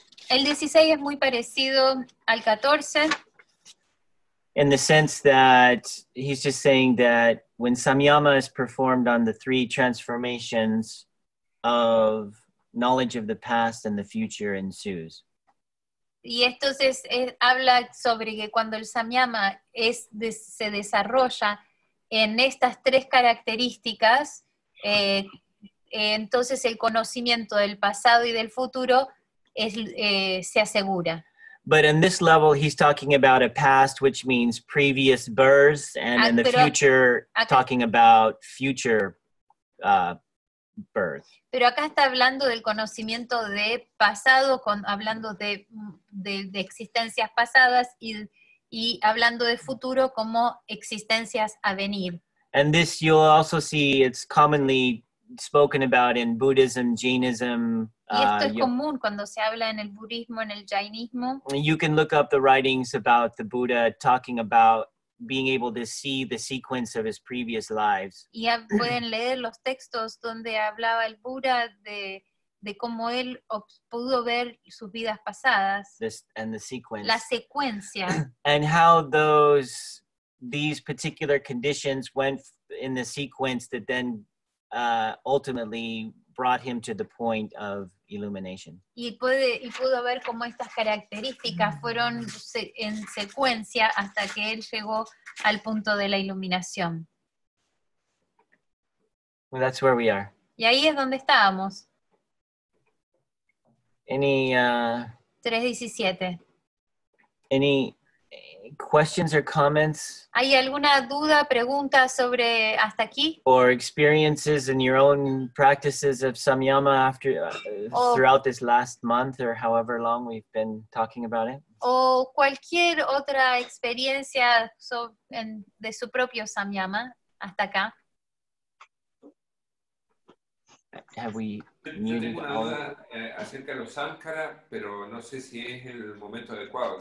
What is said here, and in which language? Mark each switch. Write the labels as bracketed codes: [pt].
[es] El 16 es muy parecido al 14. [en] In the sense that he's just saying that when Samyama is performed on the three transformations of knowledge of the past and the future ensues. [es] Y entonces habla sobre que cuando el Samyama se desarrolla en estas tres características, entonces el conocimiento del pasado y del futuro se asegura. [en] But in this level, he's talking about a past, which means previous births, and in the future, talking about future birth. [es] Pero acá está hablando del conocimiento de pasado, hablando de existencias pasadas, y hablando de futuro como existencias a venir. [en] And this you'll also see, it's commonly spoken about in Buddhism, Jainism. [es] Común cuando se habla en el budismo, en el jainismo. [en] You can look up the writings about the Buddha talking about being able to see the sequence of his previous lives. [es] Y pueden leer los textos donde hablaba el Buda de cómo él pudo ver sus vidas pasadas. [en] And the sequence. [es] La secuencia. [en] And how these particular conditions went in the sequence that then ultimately brought him to the point of illumination. [es] Y pudo ver cómo estas características fueron en secuencia hasta que él llegó al punto de la iluminación. [en] Well, that's where we are. [es] Y ahí es donde estábamos. [en] Any 317. Any questions or comments? [es] ¿Hay alguna duda, pregunta sobre hasta aquí? [en] Or experiences in your own practices of Samyama after throughout this last month or however long we've been talking about it? [es] O cualquier otra experiencia de su propio Samyama hasta acá. [en] Have we muted? [es] Yo tengo una duda acerca de los sánscaras, pero no sé si es el momento adecuado.